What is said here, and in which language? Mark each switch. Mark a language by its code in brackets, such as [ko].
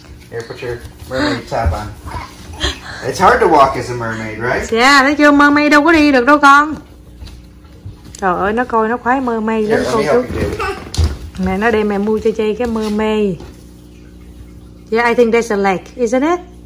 [en] Here, put your mermaid top on. It's hard to walk as a mermaid, right? Yeah, [vi] thấy chưa? Mermaid đâu có đi được đâu con. Trời ơi, nó coi nó khoái mermaid lắm cô chú. Mẹ nó đem mẹ mua cho JD cái mermaid. [en] Yeah, I think that's a leg, isn't it?